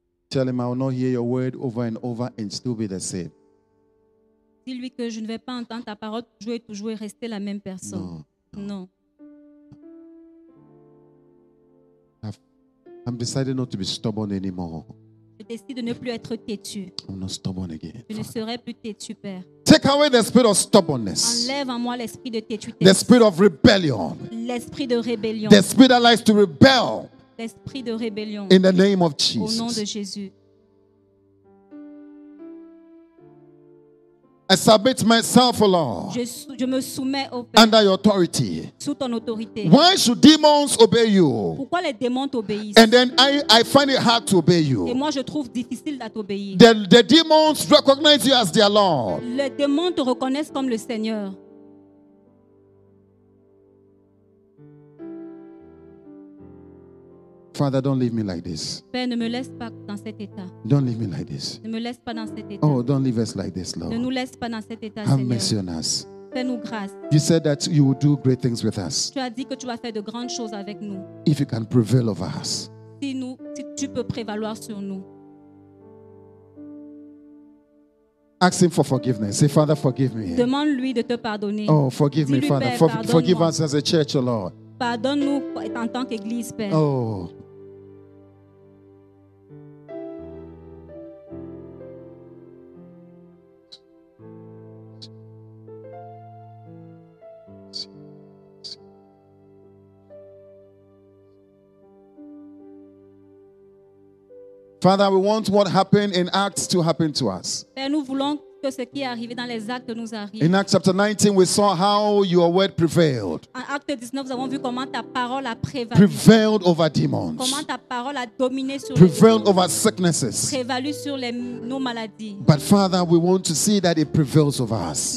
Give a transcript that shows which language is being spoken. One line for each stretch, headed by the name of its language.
English: Tell him I will not hear your word over and over and still be the same.
French: dis-lui que je ne vais pas entendre ta parole toujours et rester la même personne. Non.
English: I'm decided not to be stubborn anymore.
French: Je décide de ne plus être têtu.
English: I'm not stubborn again.
French: Je ne serai plus têtu, Père.
English: Take away the spirit of stubbornness.
French: Enlève en moi l'esprit de têtuité.
English: The spirit of rebellion.
French: L'esprit de rébellion.
English: The spirit that likes to rebel.
French: L'esprit de rébellion.
English: In the name of Jesus.
French: Au nom de Jésus.
English: I submit myself, O Lord,
French: je me soumets au Père,
English: under your authority.
French: Sous ton autorité.
English: Why should demons obey you?
French: Pourquoi les démons t'obéissent?
English: And then I find it hard to obey you.
French: Et moi, je trouve difficile à t'obéir.
English: The demons recognize you as their Lord.
French: Les démons te reconnaissent comme le Seigneur.
English: Father, don't leave me like this.
French: Père, ne me laisse pas dans cet état.
English: Don't leave me like this.
French: Ne me laisse pas dans cet état.
English: Oh, don't leave us like this, Lord.
French: Ne nous laisse pas dans cet état,
English: Seigneur. Have mercy on us.
French: Fais-nous grâce.
English: You said that you will do great things with us.
French: Tu as dit que tu vas faire de grandes choses avec nous.
English: If you can prevail over us.
French: Si tu peux prévaloir sur nous.
English: Ask him for forgiveness. Say, Father, forgive me.
French: Demande-lui de te pardonner.
English: Oh, forgive me, Father.
French: Père,
English: forgive us as a church, oh Lord.
French: Pardonne-nous en tant qu'église, Père.
English: Oh. Father, we want what happened in Acts to happen to us.
French: Père, nous voulons que ce qui est arrivé dans les Actes nous arrive.
English: In Acts chapter 19, we saw how your word prevailed.
French: En Acte 19, nous avons vu comment ta parole a prévalu.
English: Prevailed over demons.
French: Comment ta parole a dominé sur
English: prevailed
French: les démons.
English: Prevailed over sicknesses.
French: Prévalu sur nos maladies.
English: But Father, we want to see that it prevails over us.